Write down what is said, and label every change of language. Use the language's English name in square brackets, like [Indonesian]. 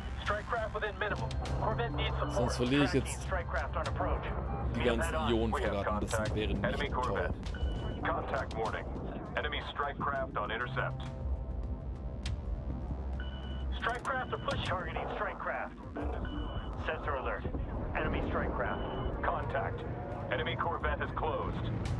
[English] Strike craft within minimum. Corvette needs support. [German] Sonst verliere ich jetzt die ganzen Ionenfregatten. Das wäre nicht toll. [English] Contact warning. Enemy strike craft on intercept. Strike craft are pushing. Targeting strike craft. Sensor alert. Enemy strike craft. Contact. Enemy Corvette is closed.